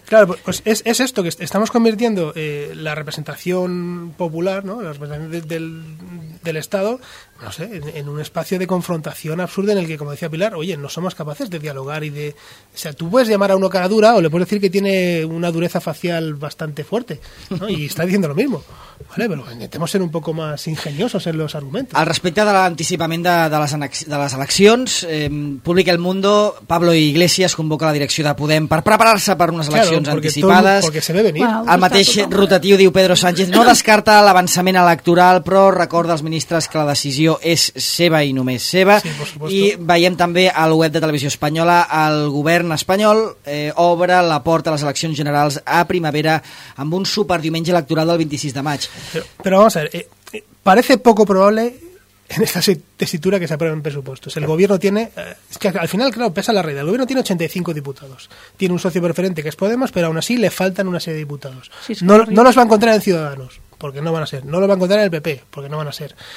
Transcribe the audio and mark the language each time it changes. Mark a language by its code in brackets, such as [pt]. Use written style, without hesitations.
[es] Claro, pues es esto, que estamos convirtiendo la representación popular, ¿no? La representación del Estado, no sé, en un espacio de confrontación absurda en el que, como decía Pilar, oye, no somos capaces de dialogar y de... O sea, tú puedes llamar a uno cara dura o le puedes decir que tiene una dureza facial bastante fuerte, ¿no? Y está diciendo lo mismo, ¿vale? Pero intentemos ser un poco más ingeniosos en los argumentos. [ca] Al respecte de l'anticipament de les eleccions, publica El Mundo, Pablo Iglesias convoca la direcció de Podem per preparar-se per unes eleccions anticipades. [es] Claro, porque se ve venir. Wow, [ca] el mateix rotatiu, diu Pedro Sánchez, no descarta l'avançament electoral, però recorda als ministres que la decisió és seva i només seva. Sí, i veiem també al web de Televisió Espanyola, el govern espanyol obre la porta a les eleccions generals a primavera amb un superdiumenge electoral del 26 de maig. [es] Però vamos a ver, parece poco probable en esta tesitura que se aprueben presupuestos. El gobierno tiene, es que al final, claro, pesa la realidad. El gobierno tiene 85 diputados. Tiene un socio preferente que es Podemos, pero aún así le faltan una serie de diputados. Sí, no los va a encontrar en Ciudadanos, porque no van a ser. No lo va a encontrar en el PP, porque no van a ser.